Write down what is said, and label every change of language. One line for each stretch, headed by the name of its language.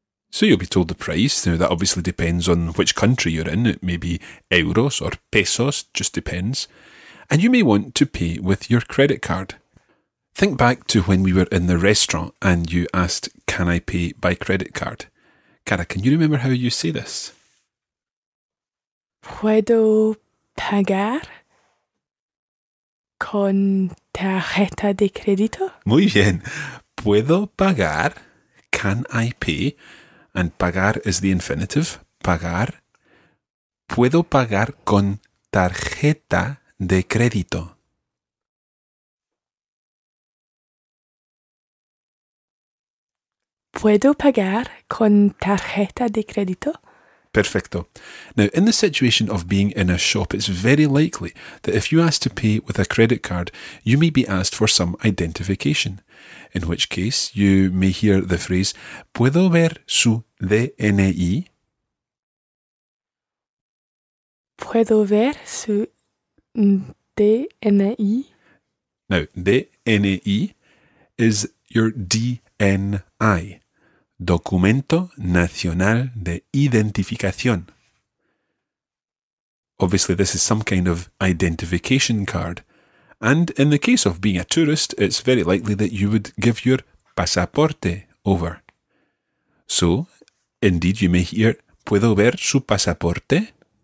English: So you'll be told the price. Now, that obviously depends on which country you're in. It may be euros or pesos, just depends. And you may want to pay with your credit card. Think back to when we were in the restaurant and you asked, can I pay by credit card? Cara, can you remember how you say this?
Spanish: ¿Puedo pagar con tarjeta de crédito? Muy bien. ¿Puedo pagar?
English: Can I pay? And pagar is the infinitive. Pagar.
Spanish: ¿Puedo pagar con tarjeta de crédito? ¿Puedo pagar con tarjeta de crédito? Perfecto.
English: Now, in the situation of being in a shop, it's very likely that if you ask to pay with a credit card, you may be asked for some identification. In which case, you may hear the phrase,
Spanish: ¿puedo ver su DNI? ¿Puedo ver su DNI?
English: Now, DNI is your DNI.
Spanish: Documento Nacional de Identificación.
English: Obviously, this is some kind of identification card. And in the case of being a tourist, it's very likely that you would give your pasaporte over. So, indeed, you may hear,
Spanish: ¿puedo ver su pasaporte?